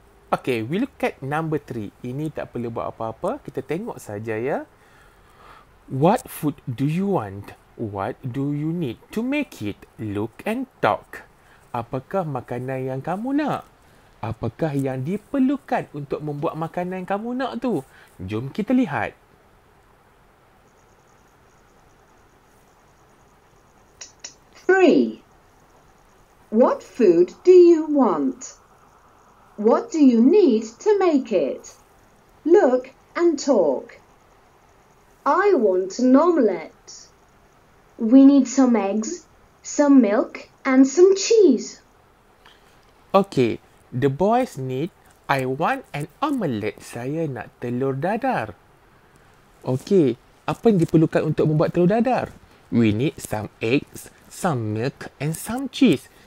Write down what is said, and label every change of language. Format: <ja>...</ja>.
<en>Okay, we look at number 3.</en> <ms>Ini tak perlu buat apa-apa. Kita tengok saja ya.</ms> <en>What food do you want? What do you need to make it? Look and talk.</en> <ms>Apakah makanan yang kamu nak? Apakah yang diperlukan untuk membuat makanan kamu nak tu? Jom kita lihat.</ms> <en>Three. What food do you want? What do you need to make it? Look and talk. I want an omelette. We need some eggs, some milk and some cheese. Okay, the boys need I want an omelette.</en> <ms>Saya nak telur dadar. Okey, apa yang diperlukan untuk membuat telur dadar?</ms> <en>We need some eggs, some milk and some cheese.</en>